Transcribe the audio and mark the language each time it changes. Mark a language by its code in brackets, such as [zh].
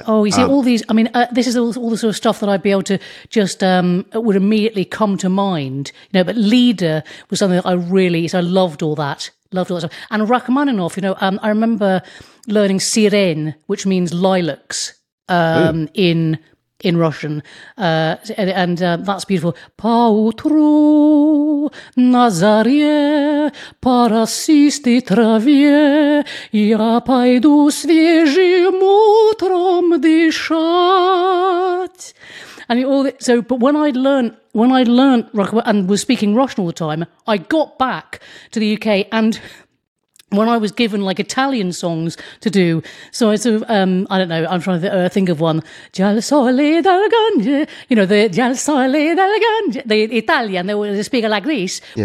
[en] Oh, you see, all these, I mean, this is all the sort of stuff that I'd be able to just, would immediately come to mind, you know, but Leader was something that I loved all that, And Rachmaninoff, you know, I remember learning Siren, which means lilacs in Russian, that's beautiful. [ru] Поутру на заре по росистой траве я пойду свежим утром дышать. [en] And when I learned and was speaking Russian all the time, I got back to the UK, and when I was given like Italian songs to do, so I sort of, I don't know, I'm trying to think of one. Gial sole del Gange, you know, the Gial sole del Gange, the Italian, they speak like this. Yeah.